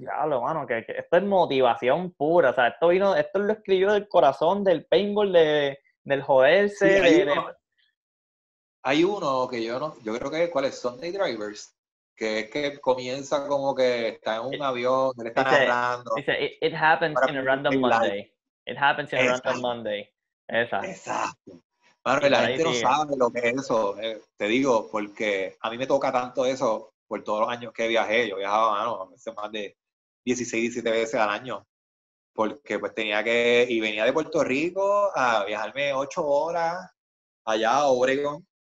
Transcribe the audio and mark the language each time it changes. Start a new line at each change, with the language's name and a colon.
Spanish: Diablo, mano, que esto es motivación pura. O sea, esto lo escribió del corazón, del paintball, del joderse. Sí, hay uno que yo no, yo creo que es, ¿cuál es? Sunday Drivers, que es que comienza como que está en un avión, él está narrando. Dice,
English: it happens in a random Monday. It happens in a random Monday.
Spanish: Exacto. Bueno, la gente no sabe lo que es eso, te digo, porque a mí me toca tanto eso por todos los años que viajé. Yo viajaba, mano, más de 16, 17 veces al año, porque pues tenía que, y venía de Puerto Rico a viajarme 8 horas allá a Oregon.